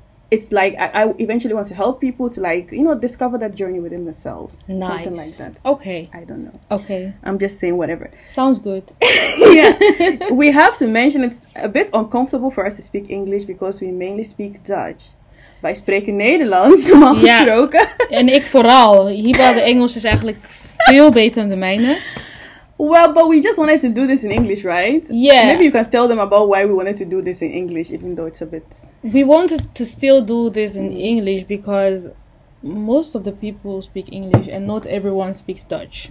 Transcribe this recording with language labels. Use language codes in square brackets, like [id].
[en] it's like I eventually want to help people to, like, you know, discover that journey within themselves. Nice. Something like that. Okay. I don't know. Okay. I'm just saying whatever. Sounds good. Yeah. We have to mention it's a bit uncomfortable for us to speak English because we mainly speak Dutch. [nl] wij spreken Nederlands, normaal gesproken. En ik vooral. Hiba, de Engels is eigenlijk veel beter dan de mijne. [en] Well, but we just wanted to do this in English, right? Yeah. Maybe you can tell them about why we wanted to do this in English, even though it's a bit... We wanted to still do this in English because most of the people speak English and not everyone speaks Dutch.